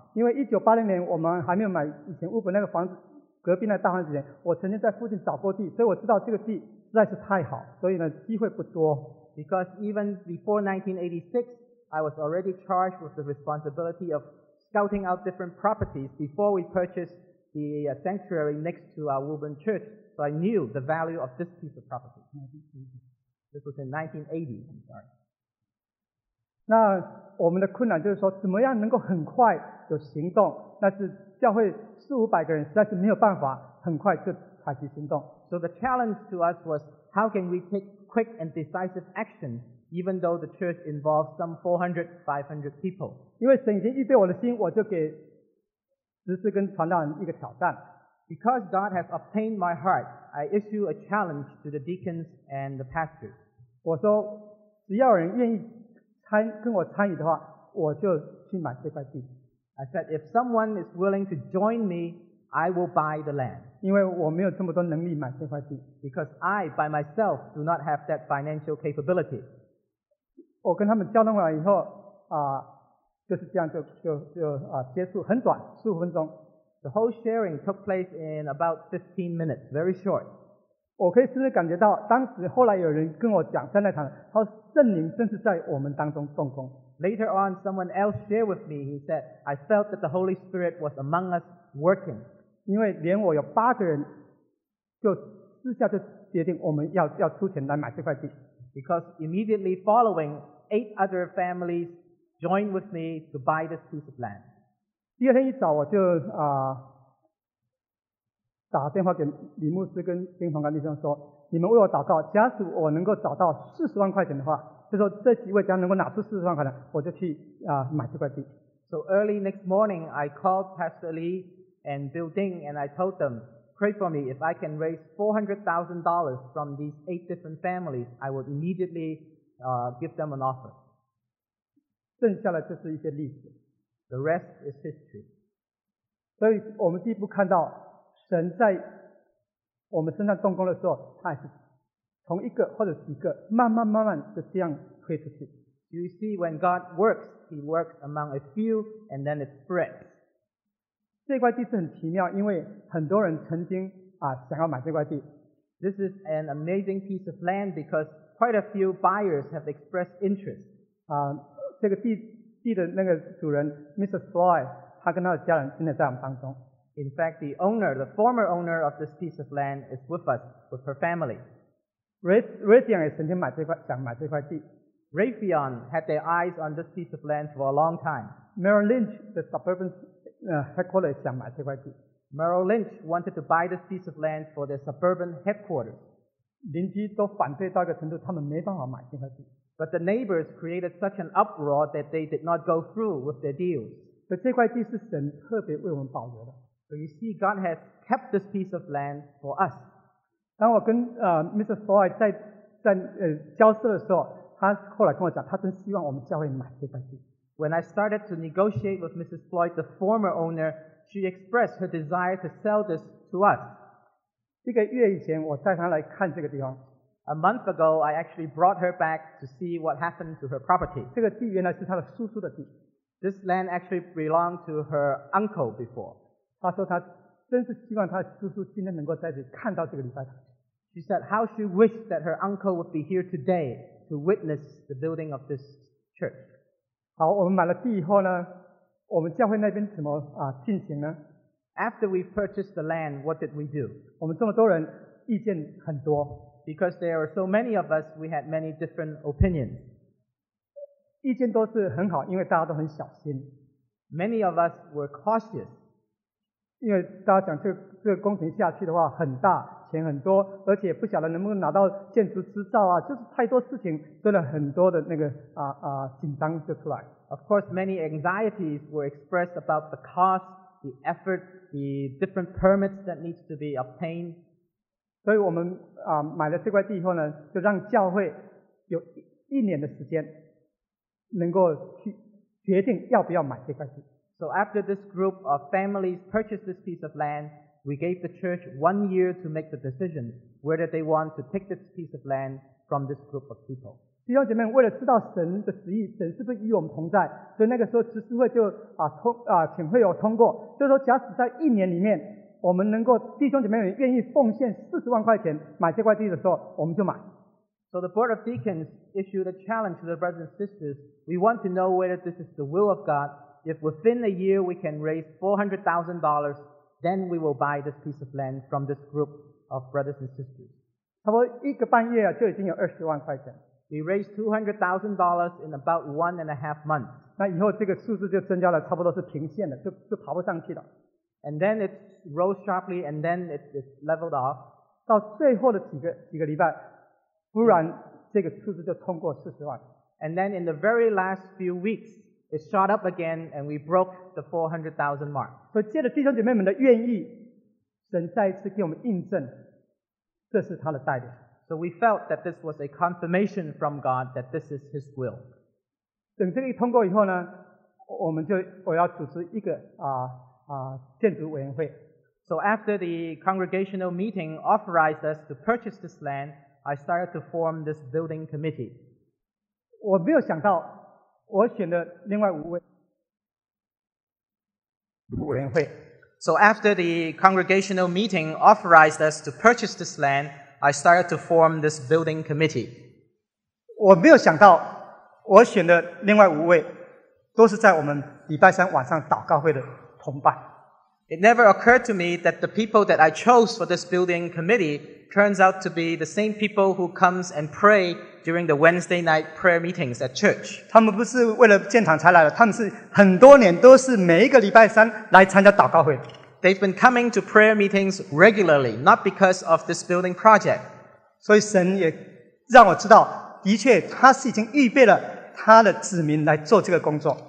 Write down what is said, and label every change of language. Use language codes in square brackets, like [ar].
[zh] 因为1980年我们还没有买以前乌本那个房子隔壁那大房子前，我曾经在附近找过地，所以我知道这个地实在是太好，所以呢机会不多。 [en] Because even before 1986,I was already charged with the responsibility of scouting out different properties before we purchased the sanctuary next to our Woburn church. So I knew the value of this piece of property. This was in 1980, I'm sorry. [zh] 那我们的困难就是说怎么样能够很快有行动，那是教会四五百个人实在是没有办法很快就采取行动。 [en] So the challenge to us was how can we take quick and decisive action? Even though the church involves some 400-500 people. [zh] 因为神已经预备我的心，我就给执事跟传道人一个挑战。 [en] Because God has obtained my heart, I issue a challenge to the deacons and the pastors. [zh] 我说，只要有人愿意跟我参与的话，我就去买这块地。 [en] I said, if someone is willing to join me, I will buy the land. [zh] 因为我没有这么多能力买这块地。 [en] Because I, by myself, do not have that financial capability. [zh] 我跟他们交通完以后就是这样就结束，很短，15分钟。 [en] The whole sharing took place in about 15 minutes, very short. [zh] 我可以甚至感觉到当时后来有人跟我讲在那场，他说圣灵正是在我们当中动工。 [en] Later on, someone else shared with me, he said, I felt that the Holy Spirit was among us working. [zh] 因为连我有8个人就私下就决定我们要出钱来买这块地。 [en] Because immediately following, 8 other families joined with me to buy this piece of land. [zh] 第二天一早我就打电话给李牧师跟丁鹏刚弟兄说，你们为我祷告，假使我能够找到40万块钱的话，就说这几位将能够拿出40万块钱，我就去买这块地。 [en] So early next morning, I called Pastor Lee and Bill Ding, and I told them. Pray for me, if I can raise $400,000 from these 8 different families, I would immediately give them an offer. [zh] 剩下的就是一些例子。 [en] The rest is history. [zh] 所以我们第一步看到神在我们身上动工的时候，他也是从一个或者几个慢慢慢慢就这样推出去。 [en] You see, when God works, he works among a few and then it spreads. [zh] 这块地是很奇妙，因为很多人曾经想要买这块地。 [en] This is an amazing piece of land because quite a few buyers have expressed interest. [zh] 这个地的那个主人 Mr. Floyd, 他跟他的家人现在在我们当中。 [en] In fact, the owner, the former owner of this piece of land is with us, with her family. [zh] Raytheon 也曾经想买这块地。 [en] Raytheon had their eyes on this piece of land for a long time. [zh] Merrill Lynch, [en] the suburban. Headquarters [zh] 想买这块地。 [en] Merrill Lynch wanted to buy this piece of land for their suburban headquarters. [zh] 邻居都反对到一个程度，他们没办法买这块地。 [en] But the neighbors created such an uproar that they did not go through with their deals. [zh] 所以这块地是神特别为我们保留的。 [en] So you see, God has kept this piece of land for us. [zh] 当我跟Mr. Floyd 在交涉的时候，他后来跟我讲，他真希望我们教会买这块地。 [en] When I started to negotiate with Mrs. Floyd, the former owner, she expressed her desire to sell this to us. [zh] 一个月以前，我带她来看这个地方。 [en] A month ago, I actually brought her back to see what happened to her property. [zh] 这个地原来是她的叔叔的地。 [en] This land actually belonged to her uncle before. [zh] 她说她真是希望她叔叔今天能够在这里看到这个礼拜堂。 [en] She said how she wished that her uncle would be here today to witness the building of this church. [zh] 好，我们买了地以后呢，我们教会那边怎么进行呢？ [en] After we purchased the land, what did we do? [zh] 我们这么多人，意见很多。 [en] Because there are so many of us, we had many different opinions. [zh] 意见都是很好，因为大家都很小心。 [en] Many of us were cautious. [zh] 因为大家讲这个工程下去的话很大，钱很多，而且不晓得能不能拿到建筑执照啊，就是太多事情，真的很多的那个紧张就出来。 [en] Of course, many anxieties were expressed about the cost, the effort, the different permits that needs to be obtained. [zh] 所以我们买了这块地以后呢，就让教会有一年的时间能够去决定要不要买这块地。 [en] So after this group of families purchased this piece of land, we gave the church 1 year to make the decision whether they want to take this piece of land from this group of people. [zh] 弟兄姐妹，为了知道神的旨意，神是不是与我们同在，所以那个时候执事会就请会友通过，就是说假使在一年里面。我们能够弟兄姐妹们愿意奉献40万块钱买这块地的时候，我们就买。 [en] So the board of deacons issued a challenge to the brothers and sisters. We want to know whether this is the will of God. If within a year we can raise $400,000, then we will buy this piece of land from this group of brothers and sisters. [zh] 差不多一个半月啊，就已经有20万块钱。 [en] We raised $200,000 in about 1.5 months. [zh] 那以后这个数字就增加了，差不多是平线的，就爬不上去了。 [en] And then it rose sharply, and then it leveled off. [zh] 到最后的几个礼拜，忽然这个数字就通过40万。 [en] And then in the very last few weeks, it shot up again, and we broke the 400,000 mark. [zh] 所以借着弟兄姐妹们的愿意，神再一次给我们印证，这是他的带领。 [en] So we felt that this was a confirmation from God that this is His will. [zh] 等这个一通过以后呢，我要组织一个建筑委员会。 [en] So after the congregational meeting authorized us to purchase this land, I started to form this building committee. [zh] 我没有想到，我选的另外5位委员会。 [en] So after the congregational meeting authorized us to purchase this land, I started to form this building committee. [zh] 我没有想到，我选的另外5位都是在我们礼拜三晚上祷告会的同伴。 [en] It never occurred to me that the people that I chose for this building committee turns out to be the same people who comes and pray during the Wednesday night prayer meetings at church. [zh] 他们不是为了建堂才来的，他们是很多年都是每一个礼拜三来参加祷告会。 [en] They've been coming to prayer meetings regularly, not because of this building project. [zh] 所以神也让我知道，的确他是已经预备了他的子民来做这个工作。